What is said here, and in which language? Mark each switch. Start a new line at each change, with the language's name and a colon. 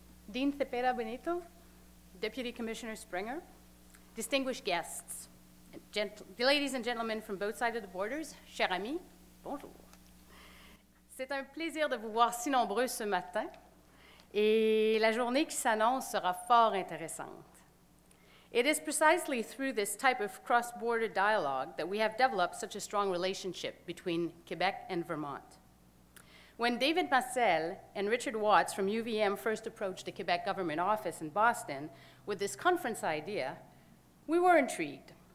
English: Dean Cepeda-Benito, Deputy Commissioner Springer, distinguished guests, ladies and gentlemen from both sides of the borders,
French: chers amis, bonjour. C'est un plaisir de vous voir si nombreux ce matin, et la journée qui s'annonce sera fort intéressante.
English: It is precisely through this type of cross-border dialogue that we have developed such a strong relationship between Quebec and Vermont. When David Marcel and Richard Watts from UVM first approached the Quebec government office in Boston with this conference idea, we were intrigued.